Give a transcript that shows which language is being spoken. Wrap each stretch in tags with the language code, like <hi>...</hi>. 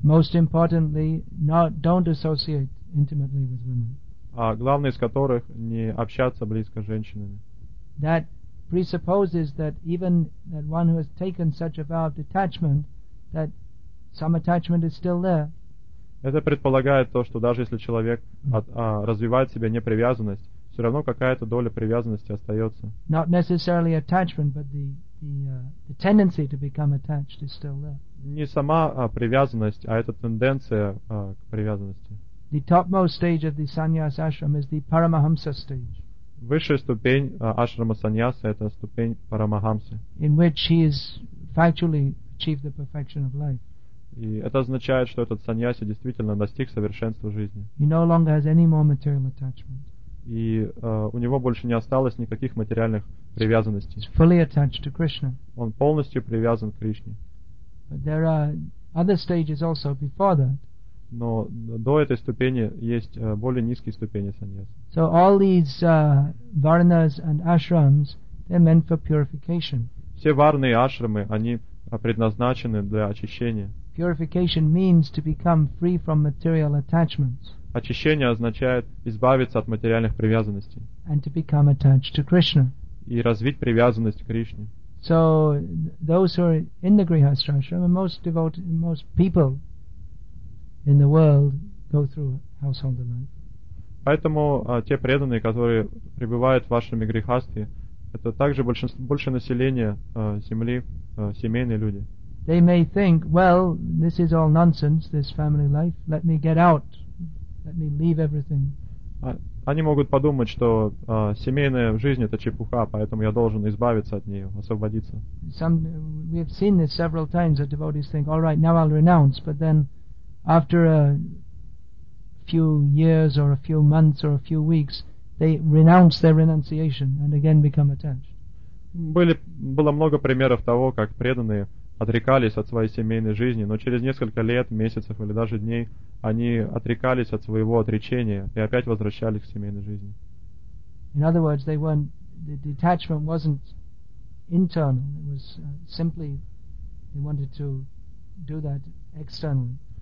<en>Most importantly, don't associate intimately with women.</en> <ru>А главное из которых не общаться близко с женщинами.</ru> <en>That presupposes that even that one who has taken such a vow of detachment, that some attachment is still there.</en> <ru>Это предполагает то, что даже если человек развивает в себе непривязанность, все равно какая-то доля привязанности остается.</ru> <en>Not necessarily attachment, but the tendency to become attached is still there.</en> <ru>Не сама привязанность, а эта тенденция к привязанности.</ru> <en>The topmost stage of the sannyas ashram is the paramahamsa stage.</en> <ru>Высшая ступень ашрама саньяса это ступень парамахамсы.</ru> <en>In which he has factually achieved the perfection of life.</en> <ru>И это означает, что этот саньяси действительно достиг совершенства жизни.</ru> <en>He no longer has any more material attachment.</en> <ru>И у него больше не осталось никаких материальных привязанностей.</ru> <en>He's fully attached to Krishna.</en> <ru>Он полностью привязан к Кришне.</ru> <en>But there are other stages also before that.</en> <ru>Но до этой ступени есть более низкие ступени саньяси.</ru> <en>So all these varnas and ashrams, they're meant for purification.</en> <ru>Все варны и ашрамы, они предназначены для очищения.</ru> <en>Purification means to become free from material attachments.</en> <ru>Очищение означает избавиться от материальных привязанностей.</ru> <en>And to become attached to Krishna.</en> <ru>И развить привязанность к Кришне.</ru> <en>So those who are in the Grihastha ashram, most devoted, most people in the world go through household life.</en> <ru>Поэтому те преданные, которые пребывают в вашем грихастхе, это также большее население земли, семейные люди.</ru> <en>They may think, well, this is all nonsense, this family life. Let me get out. Let me leave everything.</en> <ru>Они могут подумать, что семейная жизнь это чепуха, поэтому я должен избавиться от нее, освободиться.</ru> <en>We have seen this several times that devotees think, all right, now I'll renounce, but then after a few years or a few months or a few weeks, they renounce their renunciation and again become attached.</en> <ru>Было много примеров того, как преданные отрекались от своей семейной жизни, но через несколько лет, месяцев или даже дней они отрекались от своего отречения и опять возвращались к семейной жизни.</ru> <en>In other words, they weren't, the detachment wasn't internal, it was simply they wanted to do that externally.</en>